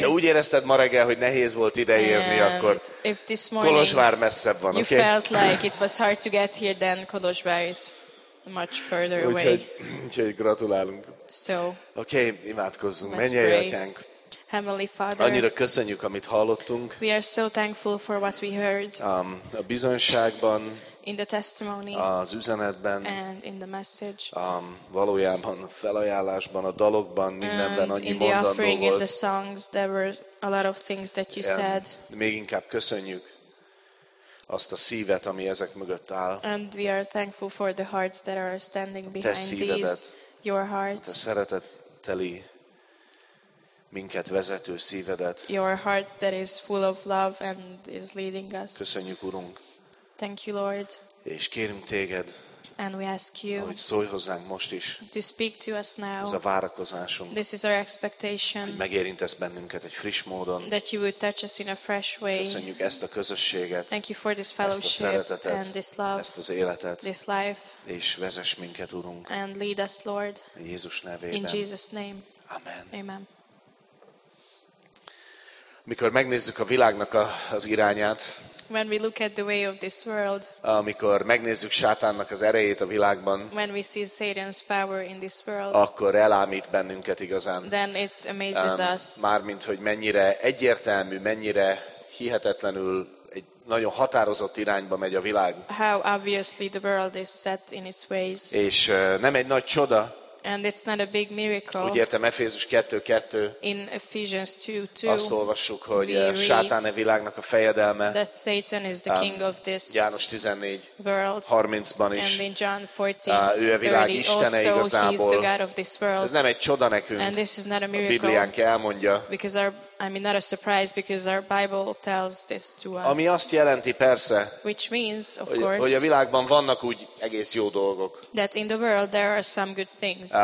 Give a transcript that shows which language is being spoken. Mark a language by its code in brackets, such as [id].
[hu] Ja, úgy érezted ma reggel, hogy nehéz volt ideérni, akkor [en] if this morning, [hu] Kolozsvár messzebb van, [en] you Felt like it was hard to get here than Kolozsvár is. Much further away. [hu] Úgyhogy gratulálunk. [en] So, [hu] okay, imádkozzunk. Mennyei Atyánk. [en] Heavenly Father. [hu] Annyira köszönjük, amit hallottunk. [en] We are so thankful for what we heard. [hu] A bizonyságban. [en] In the testimony. [hu] Az üzenetben. [en] And in the message. [hu] Valójában felajánlásban, a dalokban, mindenben annyi mondandó volt. [en] And in the offering, in the songs, there were a lot of things that you said. [hu] Még inkább köszönjük azt a szívet, ami ezek mögött áll. [en] And we are thankful for the hearts that are standing behind [hu] te szívedet, [en] these, your heart. [hu] Te szeretetteli minket vezető szívedet. [en] Your heart that is full of love and is leading us. [hu] Köszönjük, Urunk. [en] Thank you, Lord. [hu] És kérünk téged. [en] and we ask you, [hu] hogy szólj hozzánk most is. [en] To speak to us now. [hu] Ez a várakozásunk. [en] This is our expectation. [hu] Hogy megérintesz bennünket egy friss módon. [en] That you would touch us in a fresh way. [hu] Köszönjük ezt a közösséget. [en] Thank you for this fellowship. [hu] Ezt a szeretetet. [en] And this love. [hu] Ezt az életet. [en] This life. [hu] És vezess minket, Urunk. [en] And lead us, Lord. [hu] Jézus nevében. [en] In Jesus name. [hu] Amen. [en] Amen. [hu] Mikor megnézzük a világnak az irányát, [en] when we look at the way of this world, [hu] amikor megnézzük Sátánnak az erejét a világban, [en] when we see Satan's power in this world, [hu] akkor elámít bennünket igazán. [en] Then it amazes us. [hu] Mármint, hogy mennyire egyértelmű, mennyire hihetetlenül egy nagyon határozott irányba megy a világ. [en] How obviously the world is set in its ways. [hu] És nem egy nagy csoda. [en] And it's not a big miracle. [hu] Úgy értem, Efézus 2:2. [en] In Ephesians 2:2. [hu] Azt olvassuk, hogy Sátán a világnak a fejedelme. [en] That Satan is the king of this. [hu] János 14:30-ban is. [en] And in John 14:30. [hu] Ő a világ istene igazából. [en] He is the god of this world. [hu] Ez nem egy csoda nekünk. [en] And this is not a miracle. [hu] A Bibliánk elmondja. [en] Because our not a surprise because our Bible tells this to us. [hu] Ami azt jelenti persze, [en] which means, of [hu] hogy, [en] course, [hu] hogy a világban vannak úgy egész jó dolgok. [en] That in the world there are some good things.